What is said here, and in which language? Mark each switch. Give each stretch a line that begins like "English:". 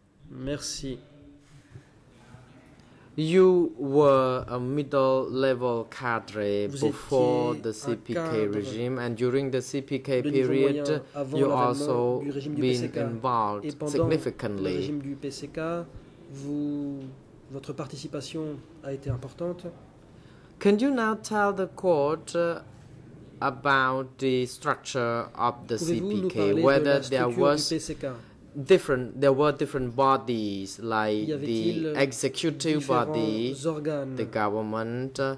French: Merci.
English: You were a middle-level cadre before the CPK regime, and during the CPK period, you also been involved significantly.
French: Le régime du PCK, votre participation a été importante.
English: Can you now tell the court about the structure of the CPK, whether there was different, there were different bodies like the executive body,
French: organes,
English: the government,